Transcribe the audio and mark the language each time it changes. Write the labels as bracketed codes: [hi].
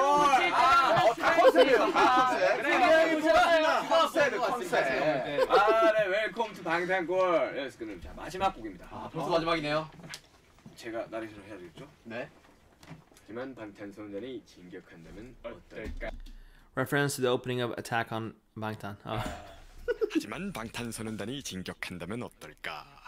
[ko] 아, 다 컨셉이에요. 다 컨셉. 슈가 형이 보셨나요? 컨셉, 컨셉. 아, 네, 웰컴 투 방탄볼. 여기서 끝내 자, 마지막 곡입니다. 아, 벌써 마지막이네요. 제가 나레이션을 해야겠죠? 네. 하지만 방탄소년단이 진격한다면 어떨까? [en] Reference to the opening of Attack on Bangtan. [ko] 하지만 방탄소년단이 진격한다면 어떨까?